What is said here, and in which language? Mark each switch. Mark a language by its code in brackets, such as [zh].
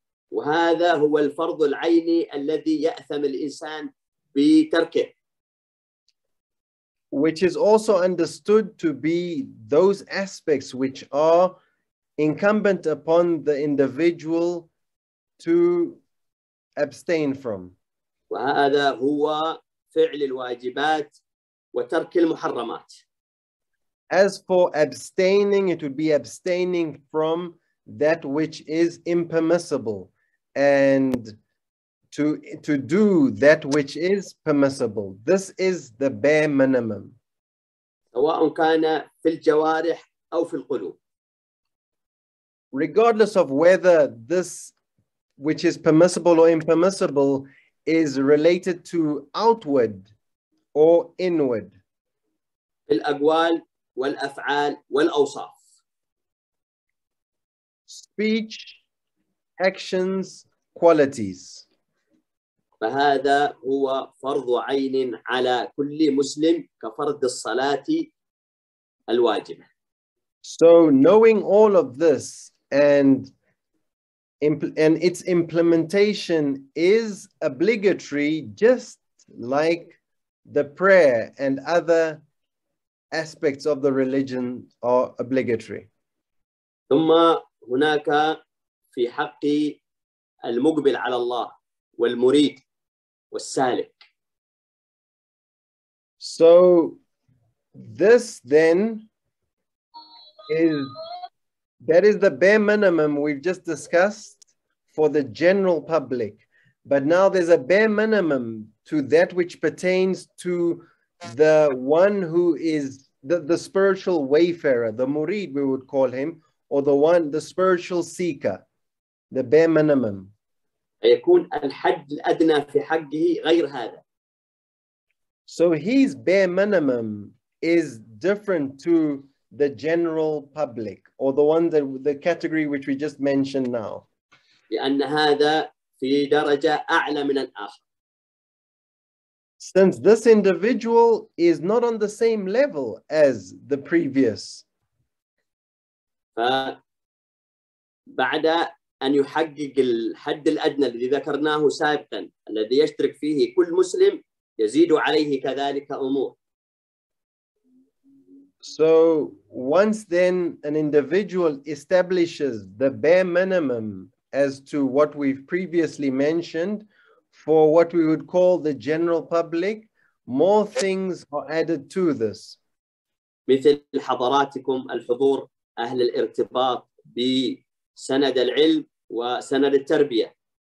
[ar] وهذا هو الفرض العيني الذي يأثم الإنسان بتركه. [en] Which is also understood to be those aspects which are incumbent upon the individual to abstain from. [ar] وهذا هو فعل الواجبات وترك المحرمات. [en] As for abstaining, it would be abstaining from that which is impermissible, and to do that which is permissible. This is the bare minimum. [ar] سواء كان في الجوارح أو في القلوب. [en] Regardless of whether this which is permissible or impermissible is related to outward or inward. [ar] الأقوال والأفعال والأوصاف. [en] Speech, actions, qualities. [ar] فهذا هو فرض عين على كل مسلم كفرض الصلاة الواجبة. [en] So knowing all of this and its implementation is obligatory just like the prayer and other aspects of the religion are obligatory. [ar] ثم هناك في حق المقبل على الله والمريد والسالك. [en] So this then is that is the bare minimum we've just discussed for the general public. But now there's a bare minimum to that which pertains to the one who is the spiritual wayfarer, the murid we would call him, or the one, the spiritual seeker, the bare minimum. [ar] يكون الحد الأدنى في حقه غير هذا. [en] So his bare minimum is different to the general public or the one that the category which we just mentioned now. [ar] لأن هذا في درجة أعلى من الآخر. [en] Since this individual is not on the same level as the previous. [ar] فبعد أن يحقق الحد الأدنى الذي ذكرناه سابقا الذي يشترك فيه كل مسلم يزيد عليه كذلك أمور. [en] So once then an individual establishes the bare minimum as to what we've previously mentioned for what we would call the general public, more things are added to this. [ar] مثل حضراتكم الحضور أهل الارتباط بسند العلم وسند التربية.